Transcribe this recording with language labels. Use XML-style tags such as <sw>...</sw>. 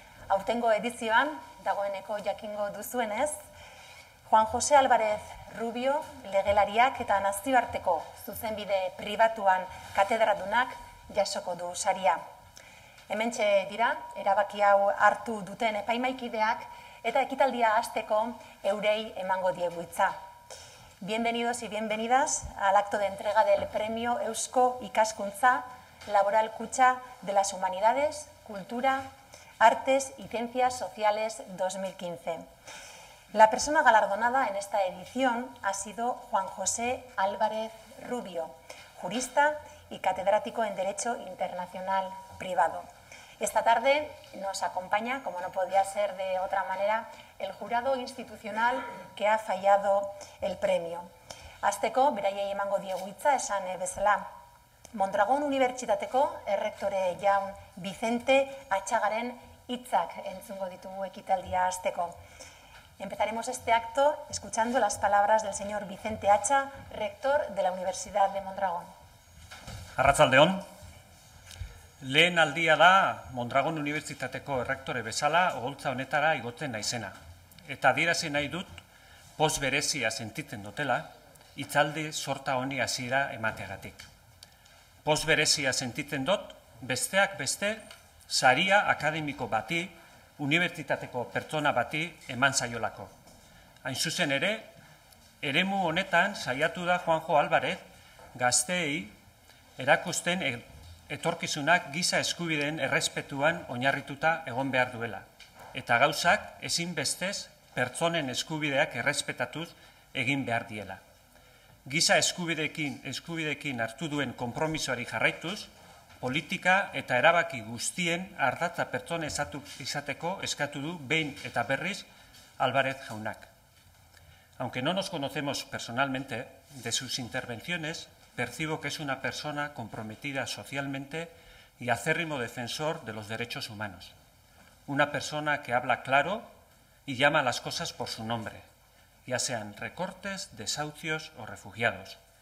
<eu>Aurtengo edizioan, dagoeneko jakingo duzuenez, Juan Jose Álvarez Rubio, legelariak eta nazioarteko zuzenbide pribatuan katedradunak jasoko du saria. Hementxe dira, erabaki hau hartu duten epaimaikideak eta ekitaldia hasteko eurei emango diegu hitza.</eu> <es>Bienvenidos y bienvenidas al acto de entrega del premio Eusko Ikaskuntza Laboral Kutxa de las Humanidades, Cultura, Artes y Ciencias Sociales 2015. La persona galardonada en esta edición ha sido Juan José Álvarez Rubio, jurista y catedrático en Derecho Internacional Privado. Esta tarde nos acompaña, como no podía ser de otra manera, el jurado institucional que ha fallado el premio.</es> <eu>Azteko, beraiei emango diegu hitza esan bezala. Mondragón Unibertsitateko errektore jaun Vicente Atxagaren hitzak entzungo ditugu ekitaldia azteko.</eu> <es>Empezaremos este acto escuchando las palabras del señor Vicente Atxa, rector de la Universidad de Mondragón.</es> <eu>Arratsaldeon. Lehen aldia da Mondragón Unibertsitateko errektore bezala oholtza honetara igotzen naizena. Eta adierazi nahi dut, poz berezia sentitzen dutela, hitzaldi sorta honi hasiera emateagatik. Poz berezia sentitzen dut, besteak beste, saria akademiko bati, unibertsitateko pertsona bati eman zaiolako. Hain zuzen ere, eremu honetan saiatu da Juanjo Álvarez gazteei erakusten etorkizunak giza eskubideen errespetuan oinarrituta egon behar duela. Eta gauzak ezin bestez pertsonen eskubideak errespetatuz egin behar diela. Giza eskubideekin hartu duen konpromisoari jarraituz, politika eta erabaki guztien ardatza pertsone izateko eskatu du behin eta berriz Álvarez jaunak.</eu> <es>Aunque no nos conocemos personalmente, de sus intervenciones percibo que es una persona comprometida socialmente y acérrimo defensor de los derechos humanos. Una persona que habla claro y llama a las cosas por su nombre, ya sean recortes, desahucios o refugiados.</es>